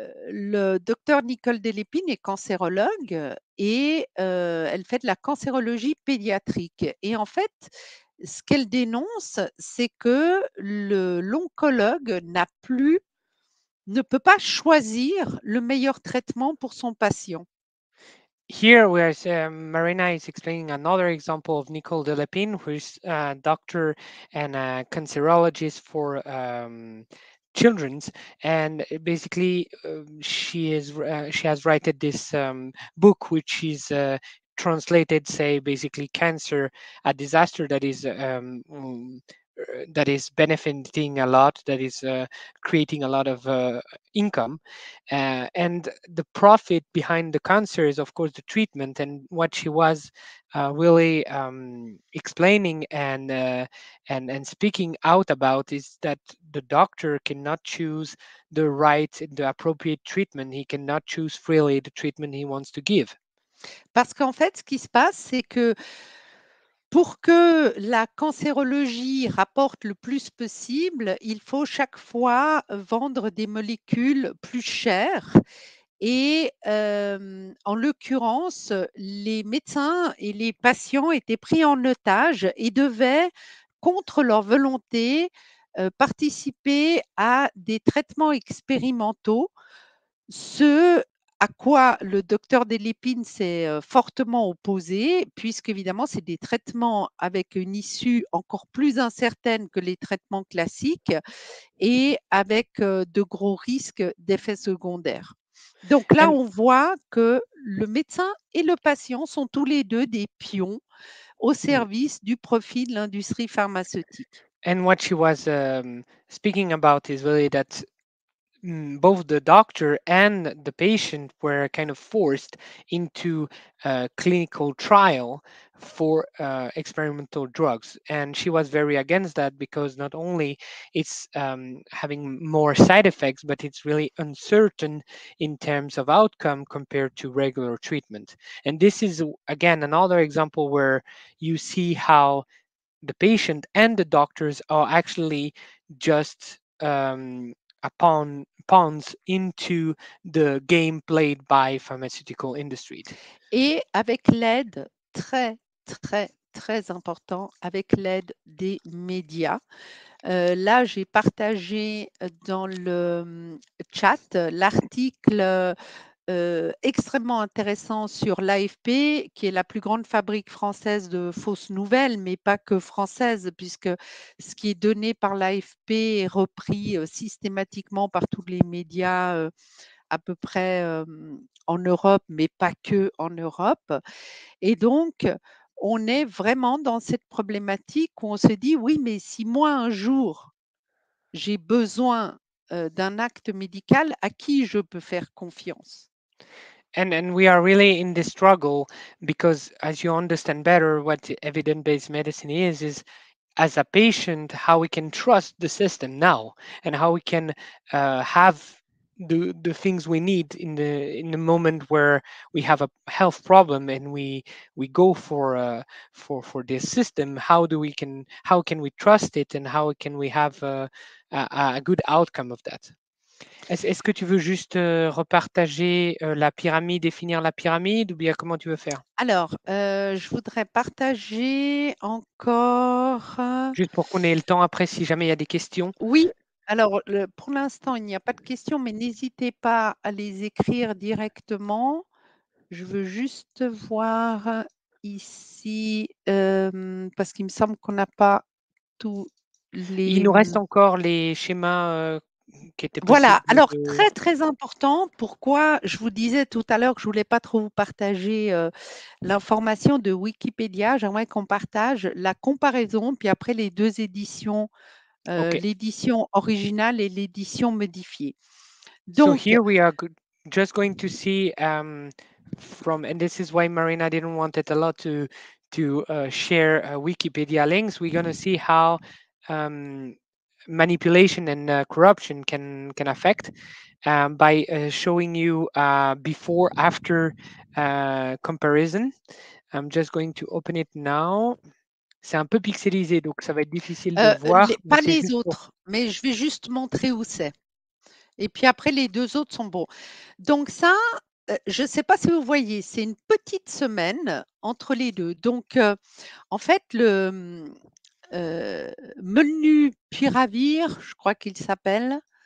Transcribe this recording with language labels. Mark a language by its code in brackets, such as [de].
[fr] Le docteur Nicole Delépine est cancérologue et elle fait de la cancérologie pédiatrique. Et en fait, ce qu'elle dénonce, c'est que l'oncologue ne peut pas choisir le meilleur traitement pour son patient. [en] Here, where Marina is explaining another example of Nicole Delapine, who's a doctor and a cancerologist for children's, and basically she has written this book, which is translated, say basically, cancer, a disaster that is benefiting a lot, that is creating a lot of income, and the profit behind the cancer is of course the treatment. And what she was really explaining and speaking out about is that the doctor cannot choose the appropriate treatment. He cannot choose freely the treatment he wants to give. [fr] Parce qu'en fait, ce qui se passe, c'est que pour que la cancérologie rapporte le plus possible, il faut chaque fois vendre des molécules plus chères. Et en l'occurrence, les médecins et les patients étaient pris en otage et devaient, contre leur volonté, participer à des traitements expérimentaux. À quoi le docteur Delépine s'est fortement opposé, puisque évidemment, c'est des traitements avec une issue encore plus incertaine que les traitements classiques et avec de gros risques d'effets secondaires. Donc là, on voit que le médecin et le patient sont tous les deux des pions au service du profit de l'industrie pharmaceutique. [en] And what she was speaking about is really that both the doctor and the patient were kind of forced into a clinical trial for experimental drugs. And she was very against that because not only it's having more side effects, but it's really uncertain in terms of outcome compared to regular treatment. And this is, again, another example where you see how the patient and the doctors are actually just pawns into the game played by pharmaceutical industry. [fr] Et avec l'aide très, très, très important, avec l'aide des médias. Là, j'ai partagé dans le chat l'article extrêmement intéressant sur l'AFP, qui est la plus grande fabrique française de fausses nouvelles, mais pas que française, puisque ce qui est donné par l'AFP est repris systématiquement par tous les médias à peu près en Europe, mais pas que en Europe. Et donc, on est vraiment dans cette problématique où on se dit, oui, mais si moi, un jour, j'ai besoin d'un acte médical, à qui je peux faire confiance? [en] And we are really in this struggle because, as you understand better, what evidence-based medicine is as a patient, how we can trust the system now and how we can have the things we need in the moment where we have a health problem and we go for this system. How can we trust it and how can we have a good outcome of that? [fr] Est-ce que tu veux juste repartager la pyramide, définir la pyramide ou bien comment tu veux faire? Alors, je voudrais partager encore... Juste pour qu'on ait le temps après, si jamais il y a des questions. Oui, alors pour l'instant, il n'y a pas de questions, mais n'hésitez pas à les écrire directement. Je veux juste voir ici, parce qu'il me semble qu'on n'a pas tous les... Il nous reste encore les schémas... Voilà, alors très très important, pourquoi je vous disais tout à l'heure que je ne voulais pas trop vous partager l'information de Wikipédia, j'aimerais qu'on partage la comparaison, puis après les deux éditions, l'édition originale et l'édition modifiée. Donc, [en] so here we are just going to see from, and this is why Marina didn't want it a lot to share Wikipedia links, we're going to see how... manipulation and corruption can affect by showing you before after comparison. I'm just going to open it now. [fr] C'est un peu pixelisé, donc ça va être difficile de voir. Pas les autres, mais je vais juste montrer où c'est. Et puis après, les deux autres sont bons. Donc ça, je ne sais pas si vous voyez, c'est une petite semaine entre les deux. Donc, en fait, le... Molnupiravir, je crois qu'il s'appelle.